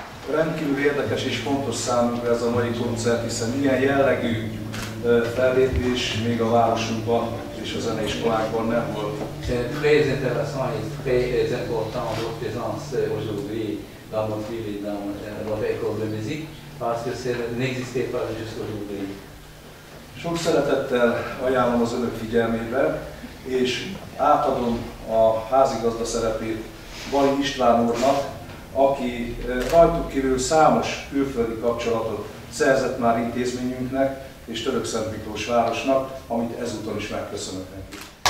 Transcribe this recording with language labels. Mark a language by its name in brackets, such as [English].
[Hungarian] Rendkívül érdekes és fontos számunkra ez a mai koncert, hiszen ilyen jellegű fellépés még a városunkban és a zeneiskolákban nem volt. [French] C'est très intéressant et très important votre présence aujourd'hui dans votre ville et dans votre école de musique, parce que ça n'existait pas jusqu'aujourd'hui. [Hungarian] Sok szeretettel ajánlom az Önök figyelmébe, és átadom a házigazda szerepét Bali István úrnak, aki rajtuk kívül számos külföldi kapcsolatot szerzett már intézményünknek és Törökszent Miklós városnak, amit ezúton is megköszönök neki.